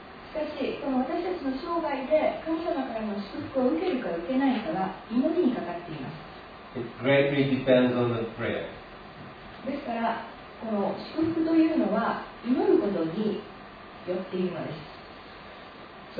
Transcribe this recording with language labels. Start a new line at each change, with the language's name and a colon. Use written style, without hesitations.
Japanese: しかし、この私たちの生涯で神様からの祝福を受けるか受けないかは祈りにかかっています。
English: It greatly depends on the prayer.
Japanese: ですから、この祝福というのは祈ることによっているのです。